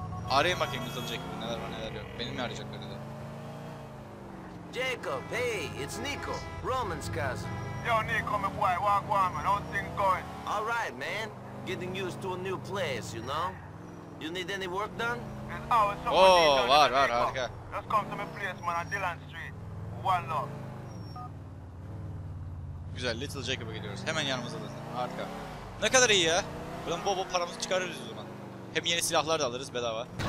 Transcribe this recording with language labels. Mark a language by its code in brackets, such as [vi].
[tr] Arayayım bakayım Little Jacob'u, neler var neler yok. Beni mi arayacaklar neler? [en] Jacob, hey, it's Nico, Roman's cousin. Yo, Nico, my boy, wagwan, man, how's things going? All right, man. Getting used to a new place, you know? You need any work done? And how is someone done with Nico? [tr] Var, harika. [en] Just come to my place, man, on Dillon Street. One love. [tr] Güzel, Little Jacob'a gidiyoruz. Hemen yanımızda zaten, harika. Ne kadar iyi ya. Buradan bol bol paramızı çıkarırız o zaman. Hem yeni silahlar da alırız bedava.